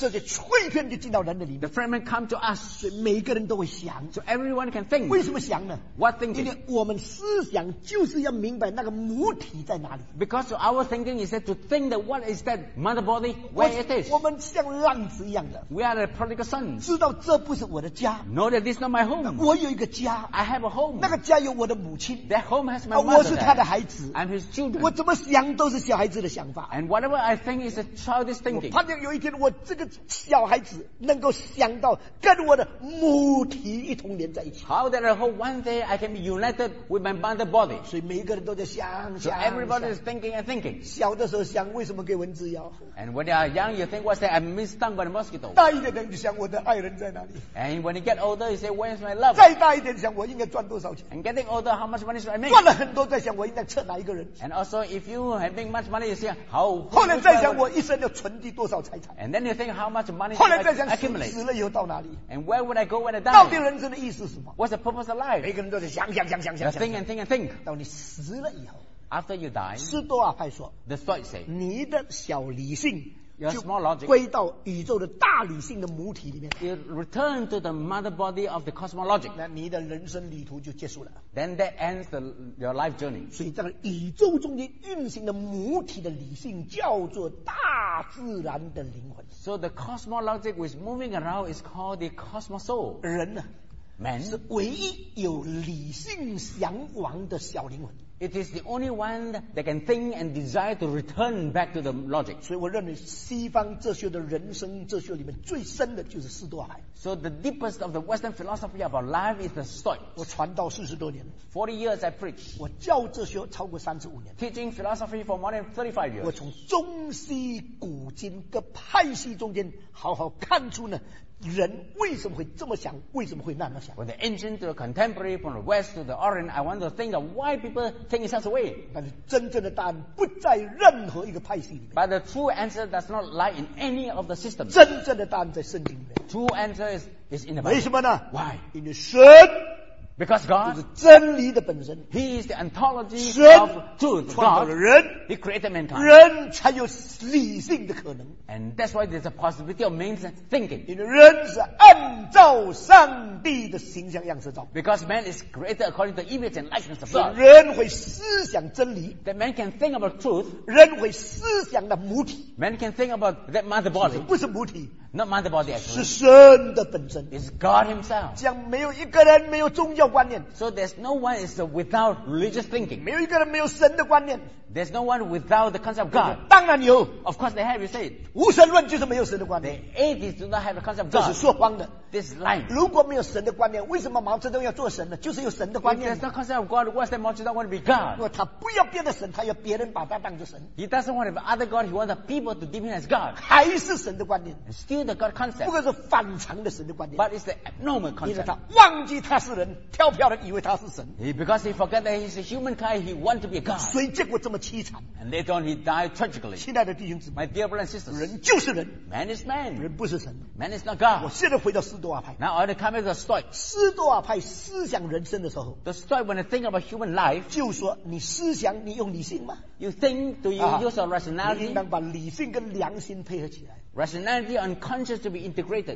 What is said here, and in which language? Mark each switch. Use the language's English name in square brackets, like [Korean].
[Chinese] 这些碎片就进到人的里面。 [English] The fragment come to us， [Chinese] 所以每个人都会想。 [English] So everyone can think。 [Chinese] 为什么想呢 [English] ？What thinking？ [Chinese] 因为我们思想就是要明白那个母体在哪里。 [English] Because our thinking is that to think that what is that mother body where it is。 [Chinese] 我们像浪子一样的。 [English] We are the prodigal sons。 [Chinese] 知道这不是我的家。 [English] Know that this。 Not my home. [Chinese] 我有一个家 [English] I have a home. [Chinese] 那个家有我的母亲 [English] That home has my mother. [Chinese] 我是他的孩子 [English] I'm his children. [Chinese] 我怎么想都是小孩子的想法 [English] And whatever I think is a childish thinking. [Chinese] 我盼望有一天我这个小孩子能够想到跟我的母体一同连在一起 [English] How that I hope one day I can be united with my mother body. [Chinese] 所以每一个人都在想 [English] So everybody is thinking and thinking. [Chinese] 小的时候想为什么给蚊子咬 [English] And when you are young you think what's that I'm stung by the mosquito. [Chinese] 大一点的就想我的爱人在哪里 [English] And when you get older you say,Where's my love? [Chinese] 再大一点想我应该赚多少钱 [English] And getting older, how much money should I make? [Chinese] 赚了很多再想我应该撤哪一个人 [English] And also if you have made much money, you say how [Chinese] 后来再想我一生要存积多少财产 [English] And then you think how much money [Chinese] 后来再想死了以后到哪里 [English] And where would I go when I die? [Chinese] 到底人生的意思是什么 [English] What's the purpose of life? [Chinese] 每个人都在想 [English] Think and think and think [Chinese] 到你死了以后 [English] After you die [Chinese] 斯多亚派说 [English] The Stoics say [Chinese] 你的小理性就归到宇宙的大理性的母体里面。 [English] It returned to the mother body of the cosmologic. [Chinese] 那你的人生旅途就结束了。 [English] Then that ends your life journey. [Chinese] 所以这个宇宙中间运行的母体的理性叫做大自然的灵魂。 [English] So the cosmologic which is moving around is called the cosmos soul. [Chinese] 人呢 [English] ，man [Chinese] 是唯一有理性向往的小灵魂。 [English] It is the only one that can think and desire to return back to the logic. [Chinese] 所以我认为西方哲学的人生哲学里面最深的就是斯多亚。 [English] So the deepest of the Western philosophy about life is the Stoics. [Chinese] 我传道40多年。 [English] 40 years I preach. [Chinese] 我教哲学超过35年。 [English] Teaching philosophy for more than 35 years. [Chinese] 我从中西古今各派系中间好好看出呢人为什么会这么想？为什么会那么想 [English] ？From the ancient to the contemporary, from the west to the orient, I want to think of why people think in such a way. [Chinese] 但是真正的答案不在任何一个派系里面。 [English] But the true answer does not lie in any of the systems. [Chinese] 真正的答案在圣经里面。 [English] True answer is in the Bible. [Chinese] 为什么呢 [English] ？Why? In the 神。 Because God [Chinese] 就是真理的本身 [English] He is the ontology of truth [Chinese] 创造了人 [English] He created mankind [Chinese] 人才有理性的可能 [English] And that's why there's a possibility of man's thinking [Chinese] 因为人是按照上帝的形象样式造 [English] Because man is created according to the image and likeness of God [Chinese] 所以人会思想真理 [English] That man can think about truth [Chinese] 人会思想的母体 [English] Man can think about that mother body [Chinese] 不是母体 [English] Not mother body actually [Chinese] 是神的本身 [English] It's God himself [Chinese] 这样没有一个人没有宗教观念 [English] so there's no one is without religious thinking [Chinese] 没有一个人没有神的观念 [English] there's no one without the concept of God [Chinese] 当然有 [English] of course they have you say it [Chinese] 无神论就是没有神的观念 [English] the atheists do not have the concept of God [Chinese] 这是说谎的 [English] this is lying [Chinese] 如果没有神的观念为什么毛泽东要做神呢就是有神的观念 [English] if there's no concept of God what's that 毛泽东 want to be God [Chinese] 如果他不要别的神他要别人把他当作神 [English] he doesn't want to have other God he wants the people to deem him as God [Chinese] 还是神的观念 [English] and still the God concept [Chinese] 不过是反常的神的观念 [English] but it's the abnormal concept [Chinese] 因为他忘记他是人飘飘的以为他是神 [English] Because he forgot that he's a humankind He wanted to be a God [Chinese] 所以结果这么凄惨 [English] And later on he died tragically [Chinese] 亲爱的弟兄姊妹 [English] My dear brothers and sisters [Chinese] 人就是人 [English] Man is man [Chinese] 人不是神 [English] Man is not God [Chinese] 我现在回到斯多亚派 [English] Now I'm coming to the Stoic [Chinese] 斯多亚派思想人生的时候 [English] The Stoic when they think about human life [Chinese] 就说你思想你用理性吗 [English] You think do you use a rationality [Chinese] 你应当把理性跟良心配合起来 [English] Rationality and conscience to be integrated